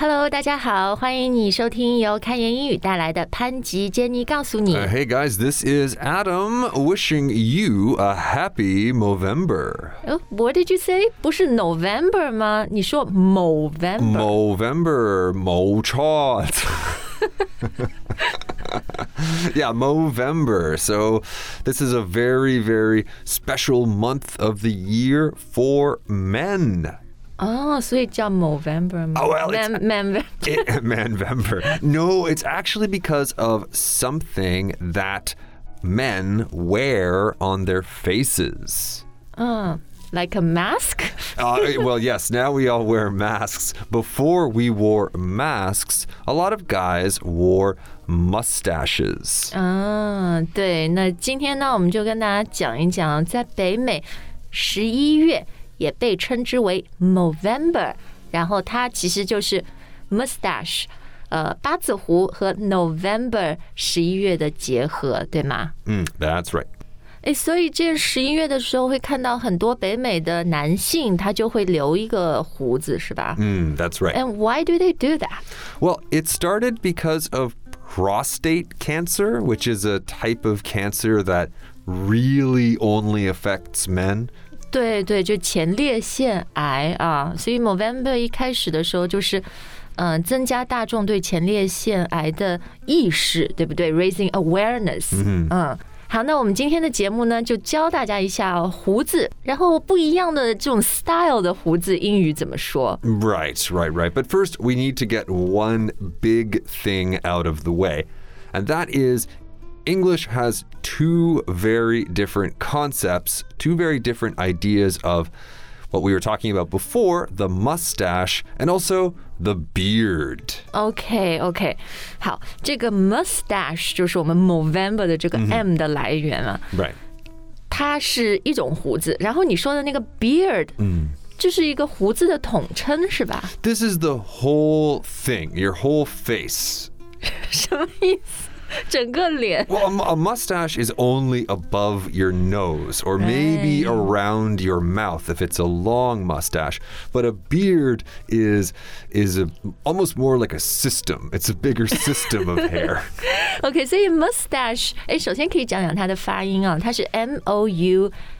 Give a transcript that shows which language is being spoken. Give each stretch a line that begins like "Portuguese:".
Chinese: 大家好，欢迎你收听由开言英语带来的潘吉杰尼告诉你。
English: Hey guys, this is Adam wishing you a happy Movember. What did you say?
Chinese: 不是 November 吗？你说 Movember? Movember, 某串。
English: Yeah, Movember. So this is a very, very special month of the year for men. Oh, so it's called Movember. Oh, well, Manvember. No, it's actually because of something that men wear on their faces. Like a mask? Well, yes, now we all wear masks. Before we wore masks, a lot of guys wore mustaches.
Chinese: Oh, 对，那今天呢，我们就跟大家讲一讲，在北美，十一月。也被称之为 Movember， 然后它其实就是 mustache， 八字胡和 November 十一月的结合，对吗？
English: 嗯 ，That's right。
Chinese: 哎，所以这十一月的时候会看到很多北美的男性，他就会留一个胡子，是吧？
English: 嗯 ，That's right。 And why do they do that? Well, it started because of prostate cancer, which is a type of cancer that really only affects men.
Chinese: 对对，就前列腺癌啊，所以 Movember 一开始的时候就是，增加大众对前列腺癌的意识，对不对 ？
English: Raising awareness。
Chinese: 好，那我们今天的节目呢，就教大家一下胡子，然后不一样的这种 style 的胡子英语怎么说
English: ？Right. But first, we need to get one big thing out of the way, and that is. English has two very different concepts, two very different ideas of what we were talking about before, the mustache and also the beard. Okay.
Chinese: 好，这个 mustache 就是我们 Movember 的这个 M 的来源啊。
English: Right.
Chinese: 它是一种胡子，然后你说的那个 beard，就是一个胡子的统称是吧？
English: This is the whole thing, your whole face.
Chinese: 什么意思？整个脸
English: Well, a mustache is only above your nose or maybe around your mouth if it's a long mustache. But a beard is almost more like a system. It's a bigger system of hair. Okay, so mustache,
Chinese: 首先可以讲讲它的发音啊，它是 M-O-U-S-T-A-C-H-E.